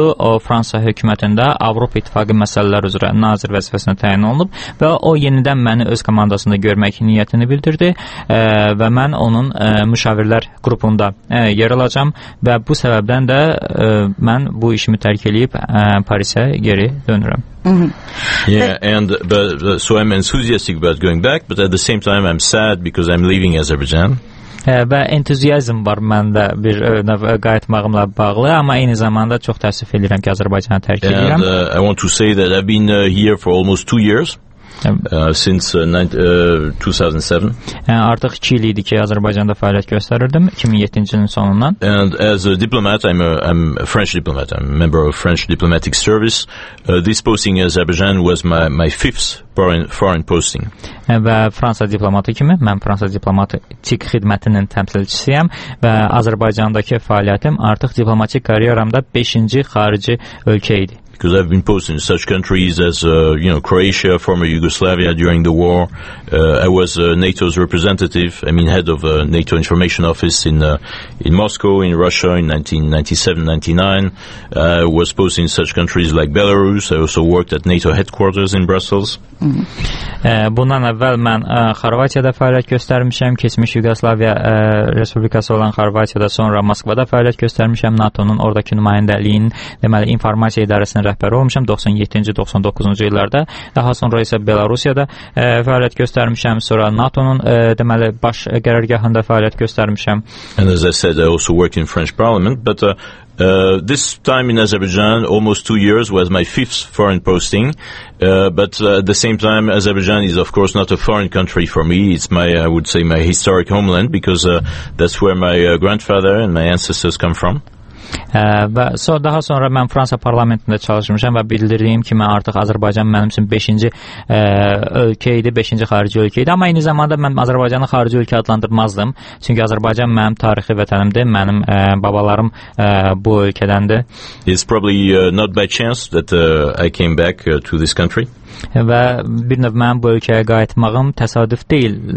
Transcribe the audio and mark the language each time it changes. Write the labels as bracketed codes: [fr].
[az] O, Fransa hökumətində Avropa İttifaqı məsələlər üzrə nazir vəzifəsinə təyin olunub və o yenidən məni öz komandasında görmək niyyətini bildirdi və mən onun müşavirlər qrupunda yer alacam və bu səbəbdən də mən bu işimi tərk eləyib Parisə geri dönürəm. Mm-hmm. [en] Yeah, and so I'm enthusiastic about going back, but at the same time I'm sad because I'm leaving Azerbaijan. [az] Və entuziyazm var məndə bir növ qayıtmağımla bağlı, amma eyni zamanda çox təəssüf edirəm ki, Azərbaycanı tərk edirəm. [en] And I want to say that I've been here for almost 2 years, since 2007. [az] Artıq 2 il idi ki, Azərbaycanda fəaliyyət göstərirdim, 2007-ci ilin sonundan. [en] And as a diplomat, I'm a member of French Diplomatic Service. This posting in Azerbaijan was my fifth foreign posting. [az] Və Fransa diplomatı kimi, mən Fransa diplomatik xidmətinin təmsilçisiyəm və Azərbaycandakı fəaliyyətim artıq diplomatik kariyeramda 5-ci xarici ölkə idi. [en] Because I've been posted in such countries as, you know, Croatia, former Yugoslavia during the war. I was NATO's representative, I mean, head of NATO Information Office in Moscow, in Russia in 1997-99. I was posted in such countries like Belarus. I also worked at NATO headquarters in Brussels. [az] Bundan əvvəl mən Xorvatiyada fəaliyyət göstərmişəm, keçmiş Yugoslaviya Respublikası olan Xorvatiyada, sonra Moskvada fəaliyyət göstərmişəm, NATO-nun oradakı nümayəndəliyinin, deməli, informasiya idarəsinin rəhbəri olmuşam 97-99-cu illərdə, daha sonra isə Belarusiyada fəaliyyət göstərmişəm, sonra NATO-nun, deməli, baş qərargahında fəaliyyət göstərmişəm. [en] And as I said, I also worked in French Parliament, but this time in Azerbaijan, almost 2 years, was my fifth foreign posting. But at the same time, Azerbaijan is, of course, not a foreign country for me. It's my, I would say, my historic homeland, because that's where my grandfather and my ancestors come from. [az] Daha sonra mən Fransa parlamentində çalışmışam və bildirdiyim ki, mən artıq Azərbaycan mənim üçün 5-ci ölkə idi, 5-ci xarici ölkə idi. Amma eyni zamanda mən Azərbaycanı xarici ölkə adlandırmazdım. Çünki Azərbaycan mənim tarixi vətənimdir, mənim babalarım bu ölkədəndir. [en] It's probably not by chance that I came back to this country. [az] Və bir növ mənim bu ölkəyə qayıtmağım təsadüf deyil.